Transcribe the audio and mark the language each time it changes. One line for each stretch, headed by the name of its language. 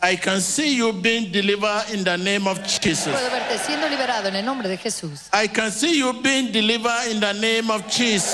English: I can see you being delivered in the name of Jesus.
Spanish: Puedo verte siendo liberado en el nombre de Jesús.
English: I can see you being delivered in the name of Jesus.